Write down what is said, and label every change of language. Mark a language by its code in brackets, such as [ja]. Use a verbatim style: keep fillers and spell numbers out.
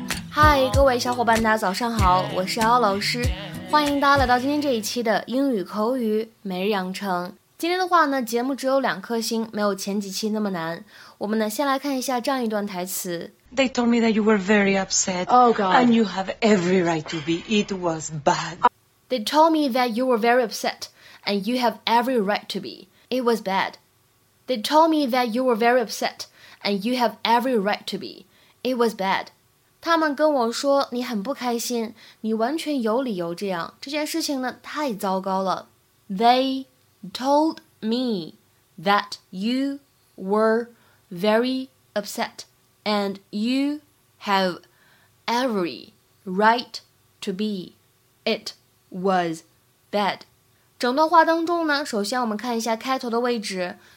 [zh] 嗨，各位小伙伴，大家早上好，我是姚老师，欢迎大家来到今天这一期的英语口语每日养成。今天的话呢，节目只有两颗星，没有前几期那么难。我们呢，先来看一下这样一段台词。 [en] They told me that you were very upset. Oh God! And you have every right to be. It was bad. They told me that you were very upset, and you have every right to be. It was bad. They told me that you were very upset, and you have every right to be. It was bad. [zh] 他们跟我说你很不开心，你完全有理由这样。这件事情呢，太糟糕了。 [en] They told me that you were very upset, and you have every right to be. It was bad. [zh] 整段话当中呢，首先我们看一下开头的位置。